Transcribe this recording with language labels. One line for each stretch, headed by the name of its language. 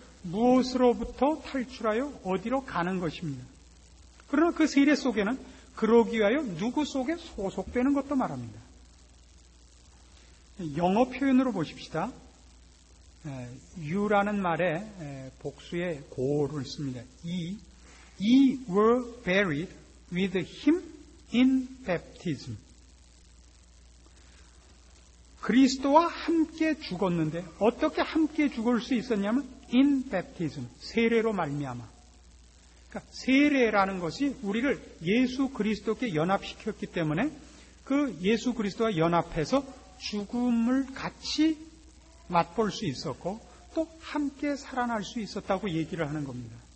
Korean: 무엇으로부터 탈출하여 어디로 가는 것입니다. 그러나 그 세례 속에는 그러기 위하여 누구 속에 소속되는 것도 말합니다. 영어 표현으로 보십시다. You라는 말에 복수의 고를 씁니다.
English: Ye were buried with him in baptism.
Korean: 그리스도와 함께 죽었는데 어떻게 함께 죽을 수 있었냐면
English: in baptism,
Korean: 세례로 말미암아. 그러니까 세례라는 것이 우리를 예수 그리스도께 연합시켰기 때문에 그 예수 그리스도와 연합해서 죽음을 같이 맛볼 수 있었고 또 함께 살아날 수 있었다고 얘기를 하는 겁니다.